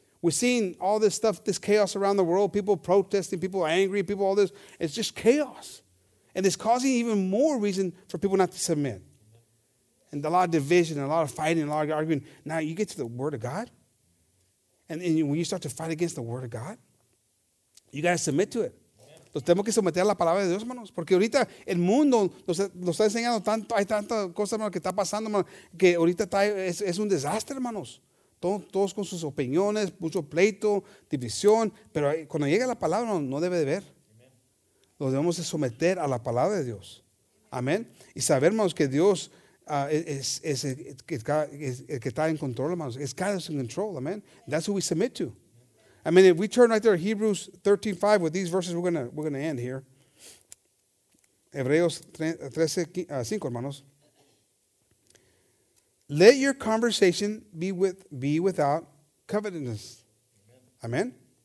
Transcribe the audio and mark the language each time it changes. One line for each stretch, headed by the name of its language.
English: We're seeing all this stuff, this chaos around the world, people protesting, people angry, people all this. It's just chaos. And it's causing even more reason for people not to submit. And a lot of division, and a lot of fighting, a lot of arguing. Now you get to the Word of God. And when you start to fight against the Word of God, you got to submit to it.
Spanish: Nos tenemos que someter a la palabra de Dios, hermanos. Porque ahorita el mundo nos está enseñando tanto, hay tantas cosas, hermanos, que está pasando, hermanos, que ahorita es un desastre, hermanos. Todos con sus opiniones, mucho pleito, división. Pero cuando llega la palabra, no debe de ver. Nos debemos de someter a la palabra de Dios. Amén. Y saber, hermanos, que Dios es el que está en control, hermanos.
English: Es God is in control, amén. That's who we submit to. I mean, if we turn right there, Hebrews 13:5, with these verses, we're gonna end here.
Spanish: Hebreos 13:5, hermanos.
English: Let your conversation be without covetousness. Amen.